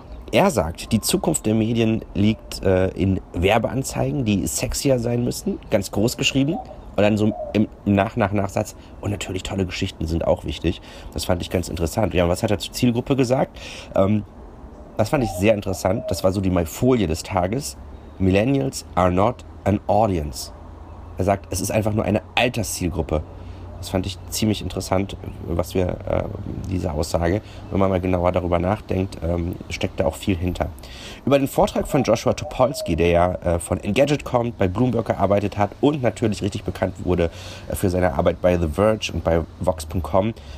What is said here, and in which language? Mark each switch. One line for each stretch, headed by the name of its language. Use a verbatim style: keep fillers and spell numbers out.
German: Er sagt, die Zukunft der Medien liegt äh, in Werbeanzeigen, die sexier sein müssen, ganz groß geschrieben, Und dann so im Nach, Nach, Nachsatz. Und natürlich tolle Geschichten sind auch wichtig. Das fand ich ganz interessant. Ja, und was hat er zur Zielgruppe gesagt? Ähm, das fand ich sehr interessant. Das war so die Maifolie des Tages.
English: Millennials are not an audience.
German: Er sagt, es ist einfach nur eine Alterszielgruppe. Das fand ich ziemlich interessant, was wir, äh, diese Aussage, wenn man mal genauer darüber nachdenkt, ähm, steckt da auch viel hinter. Über den Vortrag von Joshua Topolsky, der ja äh, von Engadget kommt, bei Bloomberg gearbeitet hat und natürlich richtig bekannt wurde äh, für seine Arbeit bei The Verge und bei Vox Punkt com.